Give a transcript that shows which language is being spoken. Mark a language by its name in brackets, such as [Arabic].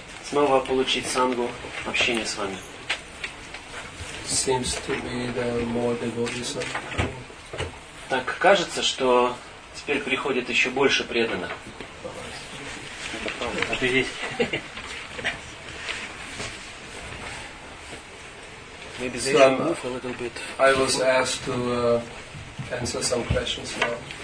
[Russian] Снова получить сангу, общение с вами. [English] Seems to be the more devotees are coming. [Russian] Так кажется, что теперь приходит еще больше преданных. А ты здесь? [English] Maybe they can move a little bit. I was asked to answer some questions now.